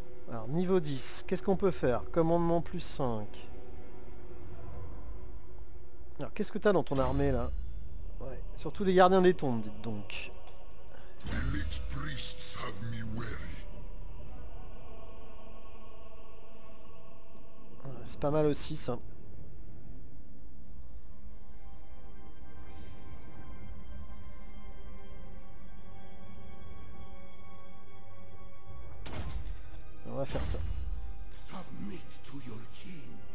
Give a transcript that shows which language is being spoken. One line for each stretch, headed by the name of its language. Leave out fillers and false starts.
French: Alors niveau 10, qu'est-ce qu'on peut faire? Commandement plus 5. Alors qu'est-ce que t'as dans ton armée là? Ouais. Surtout les gardiens des tombes, dites donc.
English: The Lich Priests have me wary.
French: Ouais, c'est pas mal aussi ça. On va faire ça.
English: Submit to your king.